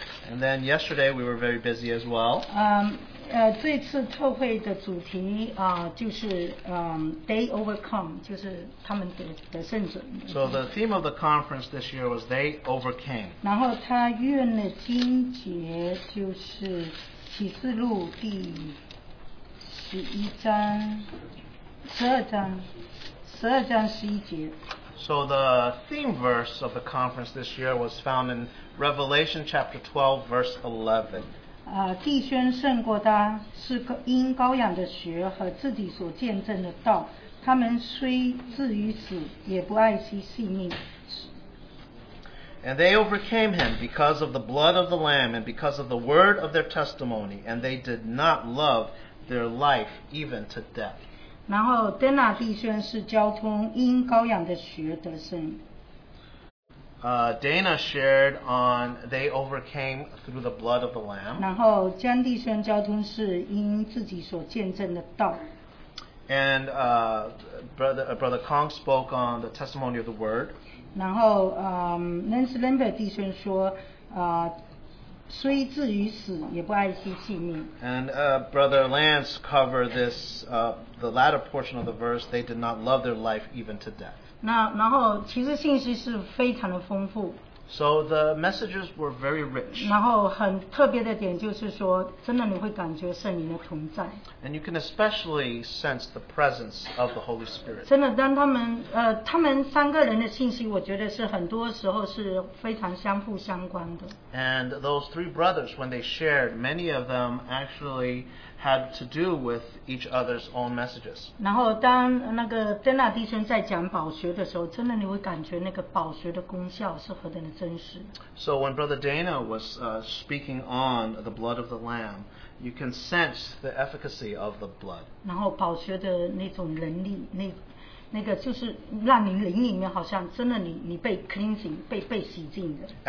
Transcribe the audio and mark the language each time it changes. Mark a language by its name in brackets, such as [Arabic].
[English] And then yesterday we were very busy as well. [Chinese] 这次特会的主题就是 [English] They Overcome, [Chinese] 就是他们得胜者。 [English] So the theme of the conference this year was They Overcame. [Chinese] 然后他用的经节就是启示录第十一章、十二章十一节。 [English] So the theme verse of the conference this year was found in Revelation chapter 12, verse 11. [Chinese] 弟兄胜过他，是因羔羊的血和自己所见证的道。他们虽至于死，也不爱惜性命。 [English] And they overcame him because of the blood of the Lamb and because of the word of their testimony, and they did not love their life even to death. [Chinese] 然后丹娜弟兄是交通因羔羊的血得胜。 [English] Dana shared on they overcame through the blood of the Lamb. [Chinese] 然后江弟兄交通是因自己所见证的道。 [English] And brother Kong spoke on the testimony of the Word. [Chinese] 然后Nancy Lambert 弟兄说虽至于死，也不爱惜性命。 [English] And Brother Lance covered this, the latter portion of the verse. They did not love their life even to death. [Chinese] 那然后其实信息是非常的丰富。 [English] So the messages were very rich. [Chinese] 然后很特别的点就是说，真的你会感觉圣灵的同在。 [English] And you can especially sense the presence of the Holy Spirit. [Chinese] 真的，当他们三个人的信息，我觉得是很多时候是非常相互相关的。 [English] And those three brothers, when they shared, many of them actually had to do with each other's own messages. [Chinese] 然后当那个丹娜弟兄在讲宝学的时候，真的你会感觉那个宝学的功效是何等。 [English] So when Brother Dana was speaking on the blood of the Lamb, you can sense the efficacy of the blood. [Chinese] 然后宝血的那种能力，那个就是让你灵里面好像真的你被 [English] cleansing, [Chinese] 被洗净的。